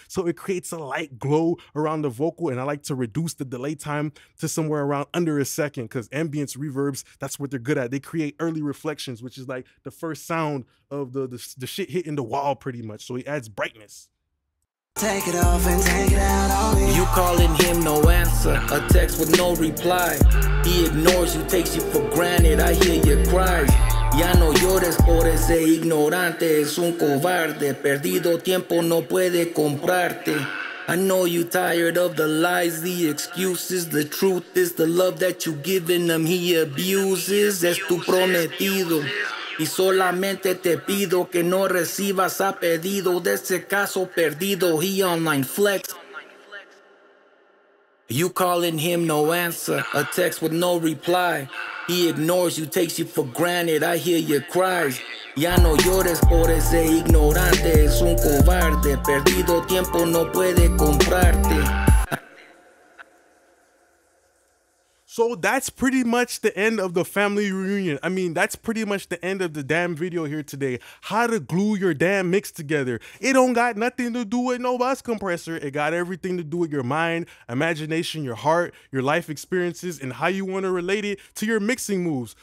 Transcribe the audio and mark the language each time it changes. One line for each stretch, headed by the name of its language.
English: So it creates a light glow around the vocal, and I like to reduce the delay time to somewhere around under a second, because ambience reverbs, that's what they're good at. They create early reflections, which is like the first sound of the shit hitting the wall pretty much. So it adds brightness. Take it off and take it out on me. You calling him, no answer. A text with no reply. He ignores you, takes you for granted. I hear your cries.
Spanish: Ya no llores por ese ignorante. Es un cobarde. Perdido tiempo no puede comprarte.
English: I know you tired of the lies, the excuses. The truth is the love that you giving him, he abuses.
Spanish: Es tu prometido. Y solamente te pido que no recibas a pedido de ese caso perdido.
English: He online flex. You calling him, no answer. A text with no reply. He ignores you, takes you for granted. I hear your cries.
Spanish: Ya no llores por ese ignorante. Es un cobarde. Perdido tiempo no puede comprarte.
English: So that's pretty much the end of the family reunion. I mean, that's pretty much the end of the damn video here today. How to glue your damn mix together. It don't got nothing to do with no bus compressor. It got everything to do with your mind, imagination, your heart, your life experiences, and how you want to relate it to your mixing moves.